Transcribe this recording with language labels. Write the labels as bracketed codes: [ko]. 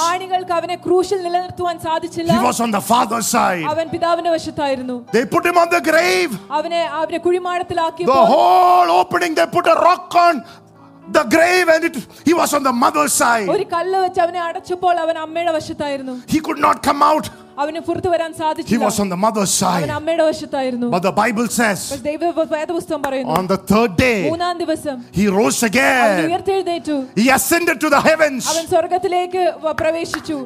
[ml] ആണികൾക്ക് അവനെ ക്രൂശിൽ നിലനിർത്താൻ സാധിച്ചില്ല. [en] He was on the father's side. [ml] അവൻ പിതാവിന്റെ വശത്തായിരുന്നു. [en] They put him on the grave. [ml] അവനെ അവരുടെ കുഴിമാടത്തിലാക്കിയപ്പോൾ, [en] the whole opening, they put a rock on the grave, and he was on the mother's side. [ml] ഒരു കല്ല് വെച്ച് അവനെ അടച്ചപ്പോൾ അവൻ അമ്മയുടെ വശത്തായിരുന്നു. [en] He could not come out. [ml] അവനെ പുറത്തു വരാൻ സാധിച്ചില്ല. [en] He was on the mother's side. [ml] അവൻ അമ്മയുടെ വശത്തായിരുന്നു. [en] But the Bible says. [ml] വേദപുസ്തകം പറയുന്നു. [en] On the third day. [ml] മൂന്നാം ദിവസം. [en] He rose again. [ml] അവൻ ഉയർത്തെഴുന്നേറ്റു. [en] He ascended to the heavens. [ml] അവൻ സ്വർഗ്ഗത്തിലേക്ക് പ്രവേശിച്ചു.